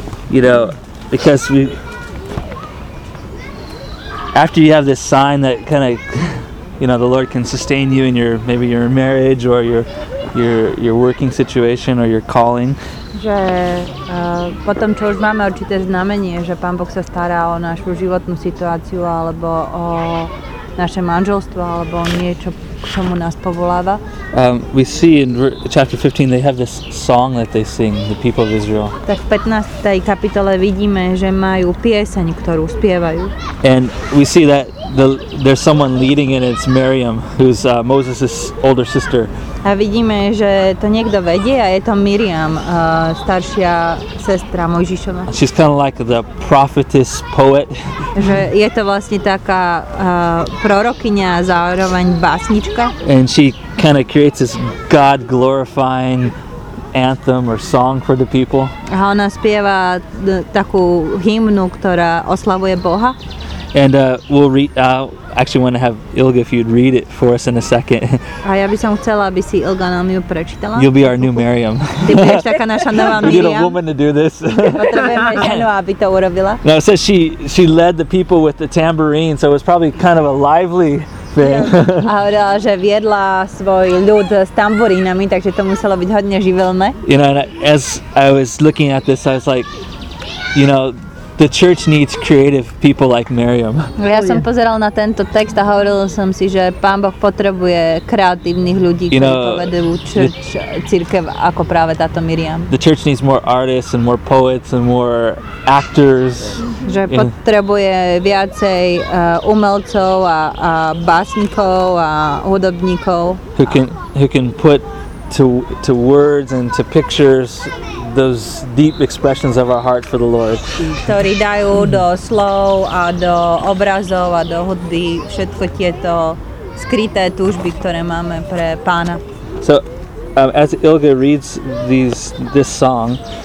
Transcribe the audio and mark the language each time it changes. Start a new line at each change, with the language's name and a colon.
English: You know, because we... After you have this sign that kind of, you know, the Lord can sustain you in your, maybe your marriage or your working situation or your calling.
Slovak: Že potom, čo už máme určité znamenie, že Pán Boh sa stará o našu životnú situáciu alebo o naše manželstvo alebo niečo čemu nás povolává.
English: We see in chapter 15 they have this song that they sing, the people of Israel.
Slovak: Tak v 15. kapitole vidíme, že majú pieseň, ktorú spievajú.
English: And we see that there's someone leading it, it's Miriam, who's Moses' older sister.
Slovak: A vidíme, že to niekto vedie a je to Miriam, staršia sestra Mojžišova.
English: She's kind of like the prophetess poet.
Slovak: Že je to vlastne taká prorokyňa a zároveň básnička.
English: And she kind of creates this God glorifying anthem or song for the people.
Slovak: A ona spieva takú hymnu, ktorá oslavuje Boha.
English: And we'll read, actually want to have Ilga, if you'd read it for us in a second.
Slovak: A ja by som chcela, aby si Ilga nám ju prečítala.
English: You'll be our new Miriam.
Slovak: Ty budeš taká naša nová Miriam.
English: We need a woman to do this.
Slovak: Potrebujeme ženu, aby to urobila.
English: No, it says she led the people with the tambourine, so it was probably kind of a lively thing.
Slovak: A hovorila, že viedla svoj ľud s tamburínami, takže to muselo byť hodne živelné.
English: You know, and as I was looking at this, I was like, you know, the church needs creative people like Miriam.
Slovak: Ja som pozeral na tento text a hovoril som si, že Pán Boh potrebuje kreatívnych ľudí, ktorí povedú cirkev ako práve táto Miriam.
English: The church needs more artists and more poets and more actors.
Slovak: Že potrebuje viacej umelcov a básnikov a hudobníkov.
English: Who can put to words and to pictures those deep expressions of our heart for the Lord.
Slovak: Ktorí dajú do slov a do obrazov a do hudby všetko tieto skryté túžby, ktoré máme pre Pána.
English: So, as Ilga reads this song,